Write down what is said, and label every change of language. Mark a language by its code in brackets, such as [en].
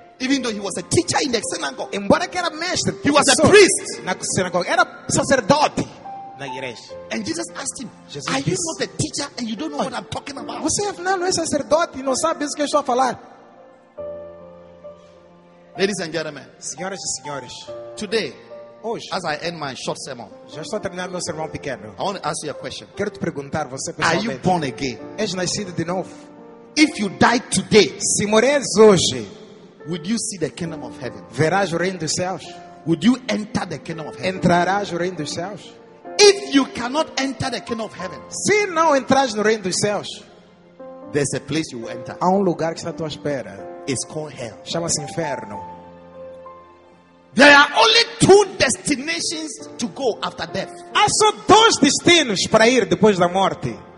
[en] Even though he was a teacher in the synagogue. [pt] Embora que era mestre, [en] he was a priest [pt] na sinagoga. Era sacerdote. [en] And Jesus asked him, Jesus, are you not a teacher and you don't know what I'm talking about? [pt] Você afinal não é sacerdote e não sabe isso que eu estou a falar. [en] Ladies and gentlemen, [pt] senhoras e senhores, [en] today, [pt] hoje, [en] as I end my short sermon, [pt] já estou a terminar meu sermão pequeno. [en] I want to ask you a question. [pt] Quero te perguntar, você pessoalmente, [en] are you born again? [pt] És nascido de novo? [en] If you die today, [pt] se morres hoje, [en] would you see the kingdom of heaven? [pt] Verás o reino dos céus? [en] Would you enter the kingdom of heaven? [pt] Entrarás o reino dos céus? [en] If you cannot enter the kingdom of heaven, [pt] se não entrares no reino dos céus, [en] there's a place you will enter. [pt] Há lugar que está à tua espera. [en] It's called hell. [pt] Chama-se inferno. [en] There are only two destinations to go after death. [pt] Há só dois destinos para ir depois da morte.